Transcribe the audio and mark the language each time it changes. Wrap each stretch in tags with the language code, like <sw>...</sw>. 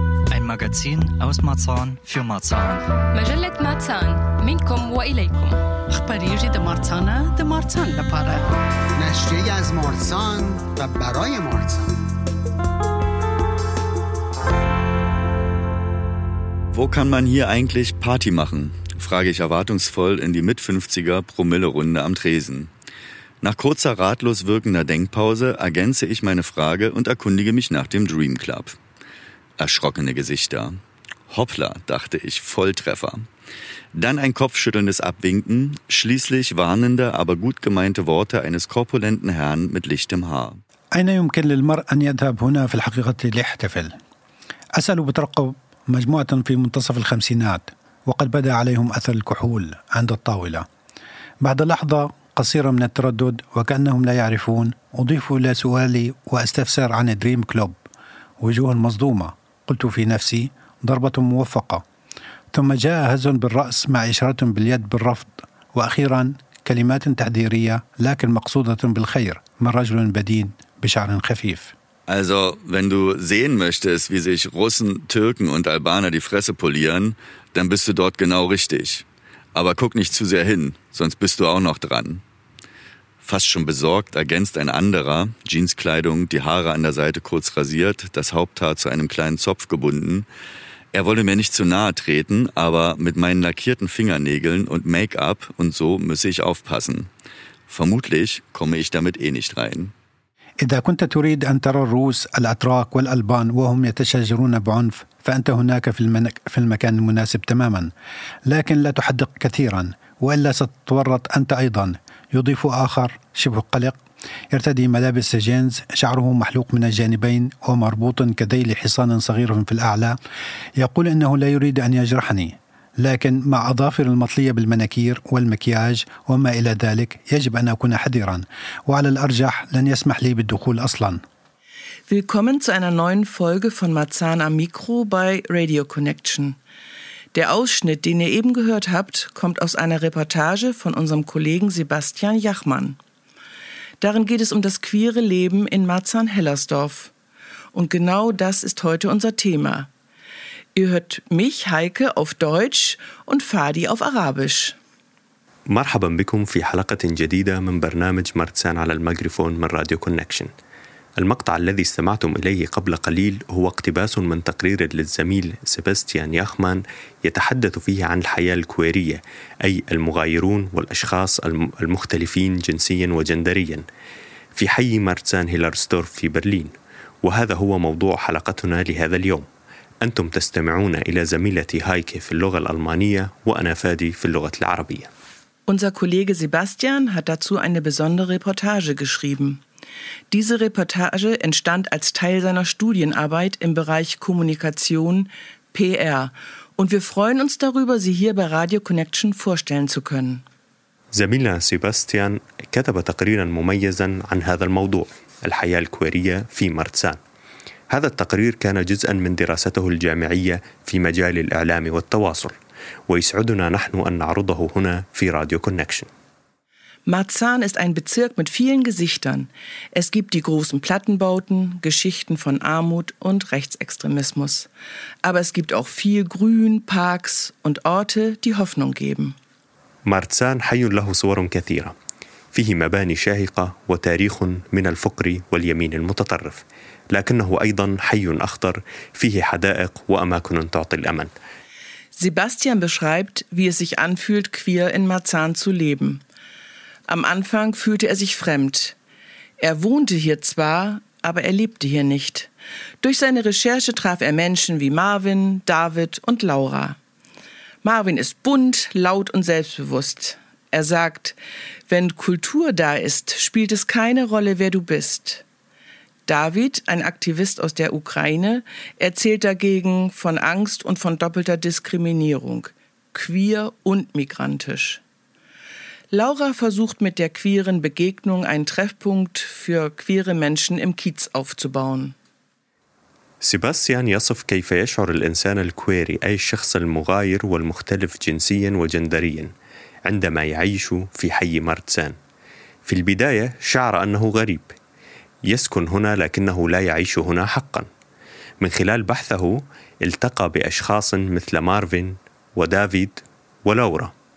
<de>Ein Magazin aus Marzahn für Marzahn.</de> <ar>مجلة Marzahn. منكم وإليكم. أخباري جديدة مارزانا ده مارزان لبارة.</ar> <fa>نشرية از مارزان و براي مارزان.</fa> <de>Wo kann man hier eigentlich Party machen? Frage ich erwartungsvoll in die Mit-50er-Promille-Runde am Tresen. Nach kurzer, ratlos wirkender Denkpause ergänze ich meine Frage und erkundige mich nach dem Dream Club. Erschrockene Gesichter. Hoppla, dachte ich, Volltreffer. Dann ein kopfschüttelndes Abwinken, schließlich warnende, aber gut gemeinte Worte eines korpulenten Herrn mit lichtem Haar.</de> <ar>أين يمكن للمرء أن يذهب هنا في الحقيقة ليحتفل؟ أسأل بترقب مجموعة في منتصف الخمسينات وقد بدا عليهم أثر الكحول عند الطاولة. بعد لحظة قصيرة من التردد وكأنهم لا يعرفون أضيفوا إلى سؤالي وأستفسر عن دريم كلوب وجوه مصدومة. قلت في نفسي ضربة موفقة. ثم جاء هز بالرأس مع إشارة باليد بالرفض وأخيرا كلمات تحذيرية لكن مقصودة بالخير من رجل بدين بشعر خفيف.</ar> <de>Also, wenn du sehen möchtest, wie sich Russen, Türken und Albaner die Fresse polieren, dann bist du dort genau richtig. Aber guck nicht zu sehr hin, sonst bist du auch noch dran. Fast schon besorgt ergänzt ein anderer, Jeanskleidung, die Haare an der Seite kurz rasiert, das Haupthaar zu einem kleinen Zopf gebunden. Er wolle mir nicht zu nahe treten, aber mit meinen lackierten Fingernägeln und Make-up und so müsse ich aufpassen. Vermutlich komme ich damit eh nicht rein.</de> <ar>إذا كنت تريد أن ترى الروس الأتراك والألبان وهم يتشاجرون بعنف فأنت هناك في المكان المناسب تماما لكن لا تحدق كثيرا وإلا ستتورط أنت أيضا يضيف آخر شبه قلق يرتدي ملابس جينز شعره محلوق من الجانبين ومربوط كذيل حصان صغير في الأعلى يقول إنه لا يريد أن يجرحني لكن مع أظافر المطلية بالمناكير والمكياج وما إلى ذلك يجب أن أكون حذرا وعلى الأرجح لن يسمح لي بالدخول أصلا.</ar> <de>Willkommen zu einer neuen Folge von Marzahn am Mikro bei Radio Connection. Der Ausschnitt, den ihr eben gehört habt, kommt aus einer Reportage von unserem Kollegen Sebastian Jachmann. Darin geht es um das queere Leben in Marzahn-Hellersdorf. Und genau das ist heute unser Thema. Ihr hört mich, Heike, auf Deutsch und Fadi auf Arabisch.</de> <ar>مرحبا بكم في حلقة جديدة من برنامج مارزان على الميكروفون من راديو كونكشن. المقطع الذي استمعتم إليه قبل قليل هو اقتباس من تقرير للزميل سيباستيان ياخمان يتحدث فيه عن الحياة الكويرية أي المغايرون والأشخاص المختلفين جنسيا وجندريا في حي مارزان هيلرسدورف في برلين وهذا هو موضوع حلقتنا لهذا اليوم أنتم تستمعون إلى زميلتي هايكي في اللغة الألمانية وأنا فادي في اللغة العربية.</ar> <de>Unser Kollege Sebastian hat dazu eine besondere Reportage geschrieben. Diese Reportage entstand als Teil seiner Studienarbeit im Bereich Kommunikation, PR. Und wir freuen uns darüber, sie hier bei Radio Connection vorstellen zu können.</de> <ar>زميلنا Sebastian كتب تقريرا مميزا عن هذا الموضوع الحياة الكويرية في مارزان. هذا التقرير كان جزءا من دراسته الجامعية في مجال الإعلام والتواصل ويسعدنا نحن أن نعرضه هنا في راديو كونكشن.</ar> <de>Marzahn ist ein Bezirk mit vielen Gesichtern. Es gibt die großen Plattenbauten, Geschichten von Armut und Rechtsextremismus. Aber es gibt auch viel Grün, Parks und Orte, die Hoffnung geben.</de> <ar>Marzahn حي له صور كثيرة. فيه مباني شاهقة وتاريخ من الفقر واليمين المتطرف. لكنه أيضا حي أخضر فيه حدائق وأماكن تعطي الأمل.</ar> <de>Sebastian beschreibt, wie es sich anfühlt, queer in Marzahn zu leben. Am Anfang fühlte er sich fremd. Er wohnte hier zwar, aber er lebte hier nicht. Durch seine Recherche traf er Menschen wie Marvin, David und Laura. Marvin ist bunt, laut und selbstbewusst. Er sagt, wenn Kultur da ist, spielt es keine Rolle, wer du bist. David, ein Aktivist aus der Ukraine, erzählt dagegen von Angst und von doppelter Diskriminierung, queer und migrantisch. Laura versucht mit der queeren Begegnung einen Treffpunkt für queere Menschen im Kiez aufzubauen.</de> <ar>Sebastian يصف كيف يشعر الإنسان الكويري أي الشخص المغاير والمختلف جنسيا وجندريا عندما يعيش في حي مارزان. في البداية شعر أنه غريب. يسكن هنا لكنه لا يعيش هنا حقا. من خلال بحثه التقى بأشخاص مثل مارفين ودافيد ولورا.</ar>